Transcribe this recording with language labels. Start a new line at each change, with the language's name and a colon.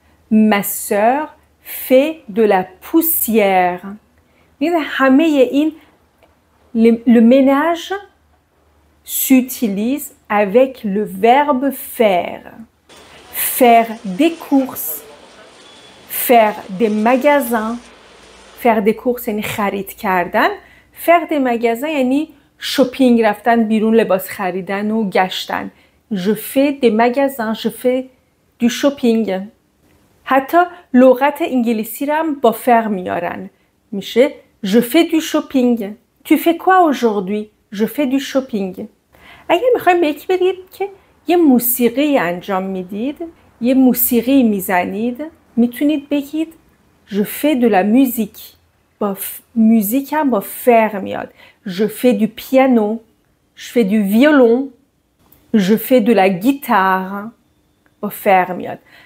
French: Ma soeur fait de la poussière. Mais
Persian: همه این
French: le ménage s'utilise avec le verbe faire. Faire des courses, faire des magasins. Faire des courses
Persian: یعنی خرید کردن،
French: faire des magasins
Persian: یعنی shopping رفتن بیرون، لباس خریدن و گشتن.
French: Je fais des magasins, je fais du shopping.
Persian: حتی لغت انگلیسی را هم با فر میارن. میشه
French: Je fais du shopping. Tu fais quoi aujourd'hui? Je fais du shopping.
Persian: اگر میخواییم به یکی بدید که یه موسیقی انجام میدید، یه موسیقی میزنید، میتونید بگید
French: Je fais de la musique.
Persian: با موسیقی هم با فر میاد.
French: Je fais du piano. Je fais du violon. Je fais de la guitare.
Persian: با فر میاد.